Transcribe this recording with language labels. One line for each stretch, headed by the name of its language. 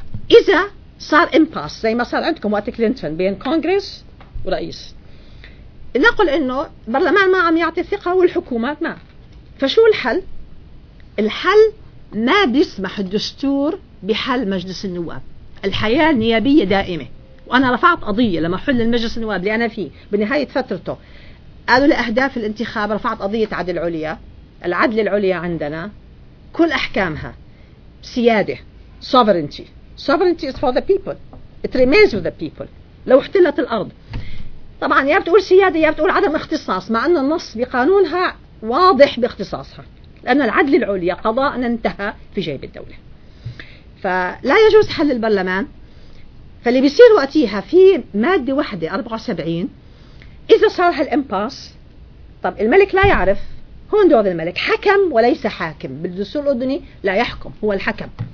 Arabic: إذا صار إمباس زي ما صار عندكم وقت كلينتون بين كونغرس ورئيس، نقول إنه برلمان ما عم يعطي ثقة والحكومات ما، فشو الحل؟ الحل ما بيسمح الدستور بحل مجلس النواب، الحياة النيابية دائمة وأنا رفعت قضية لما حل المجلس النواب اللي أنا فيه بنهاية فترته، قالوا لأهداف الانتخاب، رفعت قضية عدل عليا، العدل العليا عندنا كل أحكامها سيادة sovereignty.
English: Sovereignty is for the people. It remains with the people.
Arabic: لو احتلت الأرض طبعا يا بتقول سيادة يا بتقول عدم اختصاص، مع أن النص بقانونها واضح باختصاصها، لأن العدل العليا قضاء انتهى في جيب الدولة. فلا يجوز حل البرلمان. فاللي بيصير وقتيها في مادة واحدة 74، إذا صار هالإمباس، طب الملك لا يعرف، هون دور الملك، حكم وليس حاكم، بالدستور الأردني لا يحكم، هو الحكم،